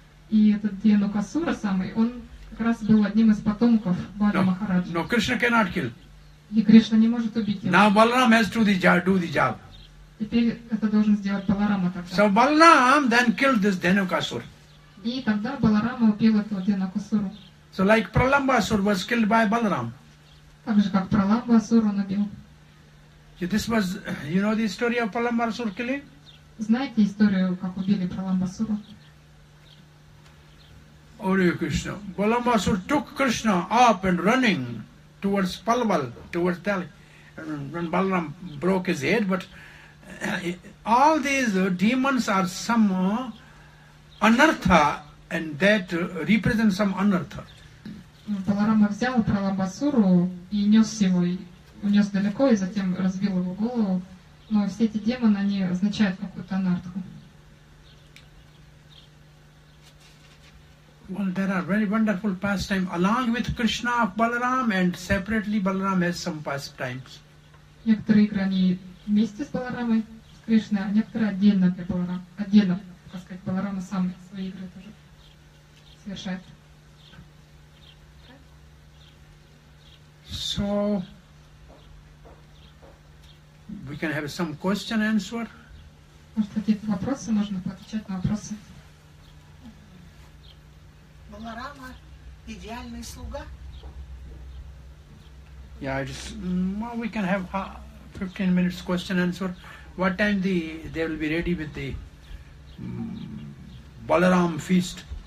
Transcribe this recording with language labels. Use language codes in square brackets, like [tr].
[ru] И этот Dhenukasura самый, он как раз был одним из потомков Бали Махараджа. [en] No, Krishna cannot kill. [ru] И Кришна не может убить его. [en] Now Balaram has to do the job. [ru] Теперь это должен сделать Баларама тогда. [en] So Balaram then killed this Dhenukasur. [ru] И тогда Баларама убил этого Dhenukasura. [en] So like Pralambasur was killed by Balaram. [ru] Так же как Pralambasura он убил. [en] This was, you know the story of Pralambasura killing? [ru] Знаете историю, как убили Pralambasura? [en] Hare Krishna. Pralambasura took Krishna up and running towards Palwal, towards Delhi. And Balaram broke his head, but all these demons are some anartha, and that represents some anartha. [ru] Баларама взял Pralambasura и нес его, унес далеко и затем разбил его голову. Но все эти демоны, они означают какую-то анартху. [en] Well, there are very wonderful pastimes along with Krishna of Balaram, and separately Balaram has some pastimes. [ru] Некоторые игры, они вместе с Баларамой, с Кришной, а некоторые отдельно для Баларамы. Отдельно, так сказать, Баларама сам свои игры тоже совершает. [en] So we can have some question answer. [ru] Может, какие-то вопросы можно поотвечать на вопросы? Баларама идеальный слуга? [en] Yeah, just well, we can have 15 minutes question answer. What time they will be ready with the Balaram feast?